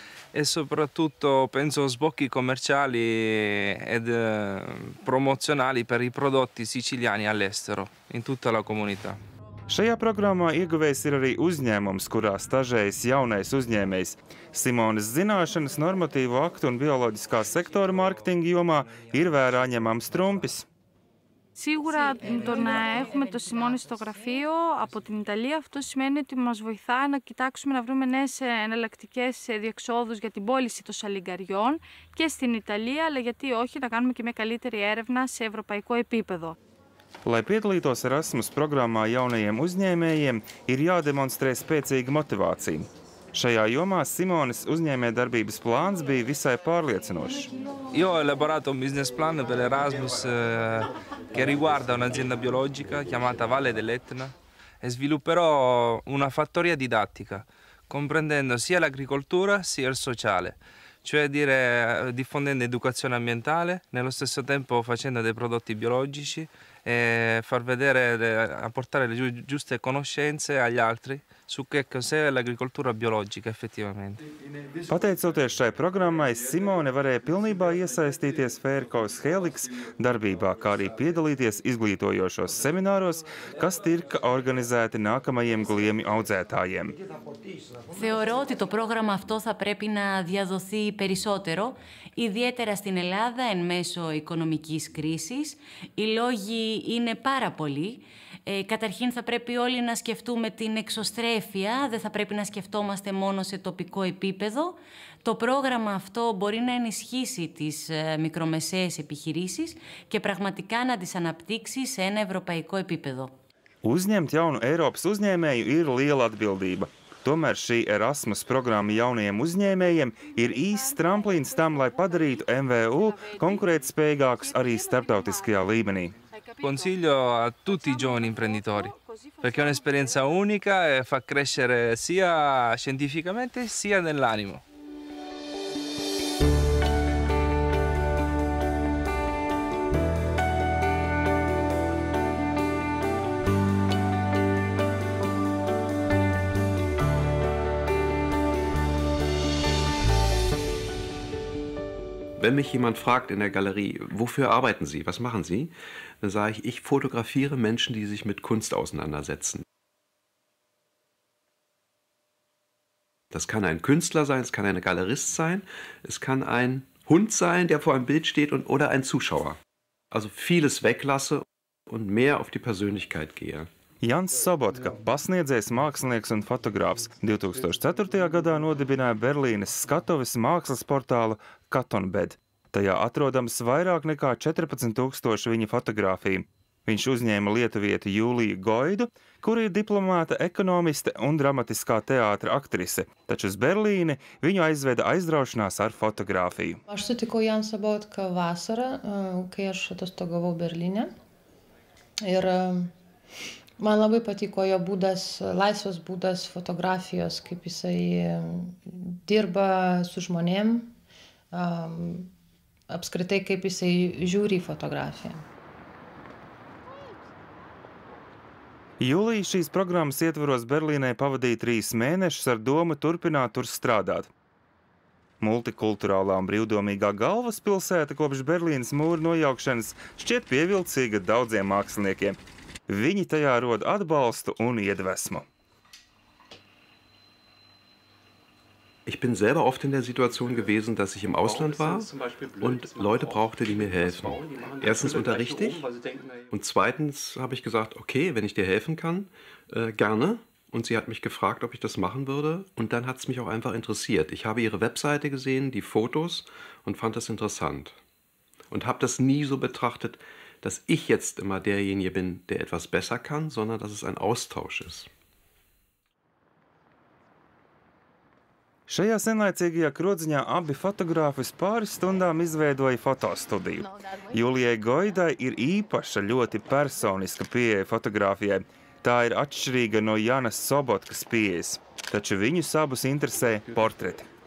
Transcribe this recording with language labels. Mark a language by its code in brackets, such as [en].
[it] E soprattutto penso sbocchi commerciali ed promozionali per i prodotti siciliani all'estero, in tutta la comunità. [lv] Šajā programmā ieguvējs ir arī uzņēmums, kurā stažējas jaunais uzņēmējs. Simonas zināšanas normatīvu aktu un bioloģiskā sektora marketinga jomā ir vērā ņemams trumpis. [el] Σίγουρα το να έχουμε το Σιμόνι στο γραφείο από την Ιταλία, αυτό σημαίνει ότι μας βοηθά να κοιτάξουμε να βρούμε νέες εναλλακτικές διεξόδους για την πώληση των σαλιγκαριών και στην Ιταλία, αλλά γιατί όχι να κάνουμε και μια καλύτερη έρευνα σε ευρωπαϊκό επίπεδο. [lv] Lai piedalītos Erasmus programmā jaunajiem uzņēmējiem, ir jādemonstrē spēcīga motivācija. Šajā jomā Simonas uzņēmējdarbības plāns bija visai pārliecinošs. [it] Io ho elaborato un business plan per Erasmus che riguarda un'azienda biologica chiamata Valle dell'Etna e svilupperò una fattoria didattica comprendendo sia l'agricoltura sia il sociale, cioè dire diffondendo educazione ambientale nello stesso tempo facendo dei prodotti biologici e far vedere a portare le giuste conoscenze agli altri su che cos'è l'agricoltura biologica effettivamente. [lv] Pateicoties šai programmai, Simone varēja pilnībā iesaistīties Fairkaus Helix darbībā, kā arī piedalīties izglītojošos semināros, kas tika organizēti nākamajiem gliemi audzētājiem. [el] Θεωρώ ότι το πρόγραμμα αυτό θα πρέπει να διαδοθεί περισσότερο, ιδιαίτερα στην Ελλάδα εν μέσω οικονομικής κρίσης. Οι λόγοι είναι πάρα πολλοί. Καταρχήν θα πρέπει όλοι να σκεφτούμε την εξωστρέφεια, δεν θα πρέπει να σκεφτόμαστε μόνο σε τοπικό επίπεδο. Το πρόγραμμα αυτό μπορεί να ενισχύσει τις μικρομεσαίες επιχειρήσεις και πραγματικά να τις αναπτύξει σε ένα ευρωπαϊκό επίπεδο. [lv] Uzņemt jaunu Eiropas uzņēmēju ir liela atbildība. Tomēr šī Erasmus programma jaunajiem uzņēmējiem ir īsts tramplīns tam, lai padarītu MVU konkurētspējīgākus arī starptautiskajā līmenī. [it] Consiglio a tutti i giovani imprenditori, perché è un'esperienza unica e fa crescere sia scientificamente sia nell'animo. [de] Wenn mich jemand fragt in der Galerie, wofür arbeiten Sie, was machen Sie, dann sage ich, ich fotografiere Menschen, die sich mit Kunst auseinandersetzen. Das kann ein Künstler sein, es kann ein Galerist sein, es kann ein Hund sein, der vor einem Bild steht und, oder ein Zuschauer. Also vieles weglasse und mehr auf die Persönlichkeit gehe. [lv] Jans Sobotka, pasniedzējs, mākslinieks un fotogrāfs, 2004. Gadā nodibināja Berlīnes skatuves mākslas portālu Katonbed. Tajā atrodams vairāk nekā 14,000 viņa fotogrāfiju. Viņš uzņēma lietuvieti Jūliju Goidu, kura ir diplomāta ekonomiste un dramatiskā teātra aktrise. Taču uz Berlīni viņu aizveda aizraušanās ar fotogrāfiju. Es satiku Jans Sobotka vasara, kad es atostogavau Berlīne. [lt] Man labai patiko jo būdas, laisvas būdas fotografijos, kaip jisai dirba su žmonėm, apskritai kaip jisai žiūri į fotografiją. [lv] Jūlija šīs programmas ietvaros Berlīnai pavadīja 3 mēnešus ar domu turpināt tur strādāt. Multikulturālā un brīvdomīgā galvaspilsēta kopš Berlīnas mūra nojaukšanas šķiet pievilcīga daudziem māksliniekiem. Viņi tajā rod atbalstu un iedvesmu. [de] Ich bin selber oft in der Situation gewesen, dass ich im Ausland war und Leute brauchte, die mir helfen. Erstens unterrichte ich und zweitens habe ich gesagt, okay, wenn ich dir helfen kann, gerne. Und sie hat mich gefragt, ob ich das machen würde und dann hat es mich auch einfach interessiert. Ich habe ihre Webseite gesehen, die Fotos und fand das interessant und habe das nie so betrachtet, dass ich jetzt immer derjenige bin, der etwas besser kann, sondern dass es ein Austausch ist. [lv] Šajā senlaicīgajā krodziņā abi fotogrāfi pāris stundām izveidoja fotostudiju. Jūlijai Goidai ir īpaša, ļoti personiska pieeja fotogrāfijai. Tā ir atšķirīga no Janas Sobotkas pieejas, taču viņu sabus interesē portreti.